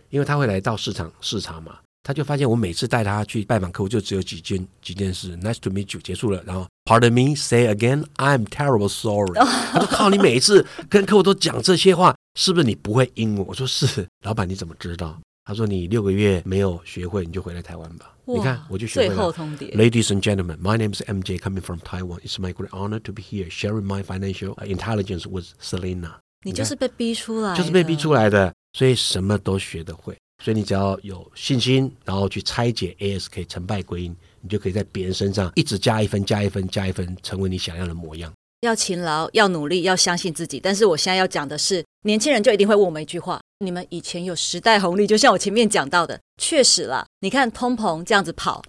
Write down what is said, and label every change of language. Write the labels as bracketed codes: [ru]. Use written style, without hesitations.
[zh] 因为他会来到市场视察嘛，他就发现我每次带他去拜访客户就只有几件事 [en] Nice to meet you [zh] 结束了，然后 [en] Pardon me say again I'm terrible sorry [zh] 他就靠你每一次跟客户都讲这些话，是不是你不会英文？我说是。老板你怎么知道？他说你6个月没有学会你就回来台湾吧，你看我就学会了。最后通牒 [en] Ladies and gentlemen My name is MJ coming from Taiwan It's my great honor to be here sharing my financial intelligence with Selena。 [zh] 你就是被逼出来的，就是被逼出来的，所以什么都学得会，所以你只要有信心，然后去拆解 ASK 成败归因，你就可以在别人身上一直加一分加一分加一分，成为你想要的模样。要勤劳，要努力，要相信自己。但是我现在要讲的是，年轻人就一定会问我们一句话，你们以前有时代红利，就像我前面讲到的，确实啦，你看通膨这样子跑